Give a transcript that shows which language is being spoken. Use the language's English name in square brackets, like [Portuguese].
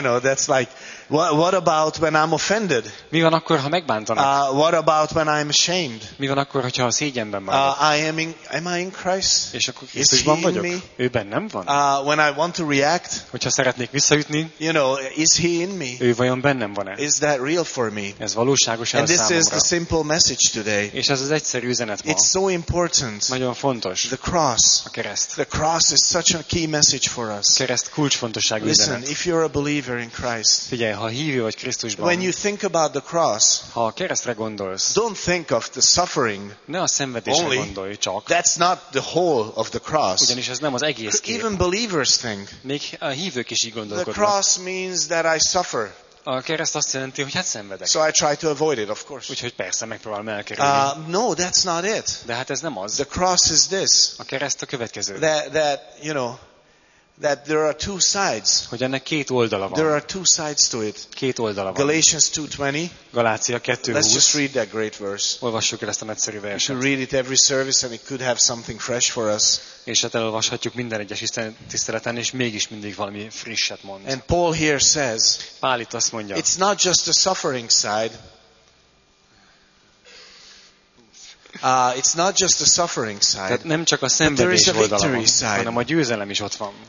[English] know, that's like what about when I'm offended? [Hungarian] Mi van akkor, ha megbántanak? [English] What about when I'm ashamed? [Hungarian] Mi van akkor, hogyha a szégyenben vagyok? [English] Am I in Christ? [Hungarian] És akkor Krisztusban vagyok? Ő bennem van. [English] When I want to react, [Hungarian] hogyha szeretnék visszaütni, [English] you know, is he in me? [Hungarian] Ő vajon bennem van-e? [English] Is that real for me? [Hungarian] Ez valóságos-e a számomra? [English] And this is the simple message today. [Hungarian] És ez az egyszerű üzenet ma. [English] It's so important. [Hungarian] Nagyon fontos. [English] The cross. [Hungarian] A kereszt. [English] The cross is such a key message for us. [Hungarian] A kereszt kulcsfontosságú üzenet. [English] Listen, if you're a believer in Christ, [Hungarian] figyelj, ha hívő vagy Krisztusban, [English] when you think about the cross, [Hungarian] ha a keresztre gondolsz, [English] don't think of the suffering, [Hungarian] ne a szenvedésre [English] only, [Hungarian] gondolj csak. [English] That's not the whole of the cross. [Hungarian] Ugyanis ez nem az egész kép. [English] Even believers think, [Hungarian] még a hívők is így gondolkodnak. [English] The cross means that I suffer. [Hungarian] A kereszt azt jelenti, hogy hát szenvedek. [English] So I try to avoid it, of course. [Hungarian] Úgyhogy persze, megpróbálom elkerülni. [English] No, that's not it. [Hungarian] De hát ez nem az. [English] The cross is this. [Hungarian] A kereszt a következő. [English] That you know, that there are two sides. [Hungarian] Hogy ennek két oldala van. [English] There are two sides to it. [Hungarian] Két oldala van. [English] Galatians 2:20. [Hungarian] Galácia 2:20. [English] Let's just read that great verse. [Hungarian] Olvassuk el ezt a nagyszerű verset. [English] We read it every service and it could have something fresh for us. [Hungarian] És hát elolvashatjuk minden egyes tiszteleten, és mégis mindig valami frisset mond. [English] And Paul here says, [Hungarian] Pál itt azt mondja, [English] it's not just the suffering side. It's not just the suffering side. [Hungarian] Tehát nem csak a szenvedés oldala van, hanem a győzelem is ott van.